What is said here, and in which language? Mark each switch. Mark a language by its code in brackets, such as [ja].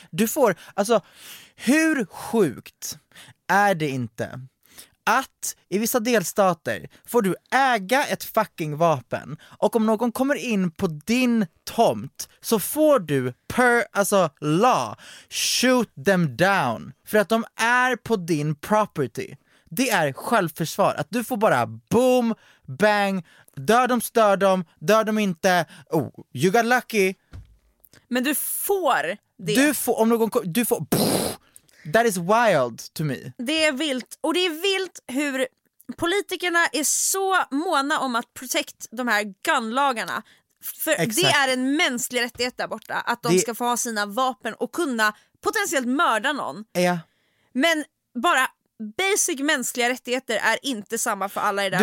[sv] Du får, alltså, hur sjukt är det inte att i vissa delstater får du äga ett fucking vapen, och om någon kommer in på din tomt så får du per, alltså, law [en] shoot them down [sv] för att de är på din property. Det är självförsvar, att du får bara boom, bang, dör de inte, [en] oh, you got lucky. [sv] Men du får det. Du får pff, [en] that is wild to me. [sv] Det är vilt. Och det är vilt hur politikerna är så måna om att [en] protect [sv] de här gunlagarna. För exakt. Det är en mänsklig rättighet där borta. Att de ska få ha sina vapen och kunna potentiellt mörda någon. Ja. Men bara basic mänskliga rättigheter är inte samma för alla i det här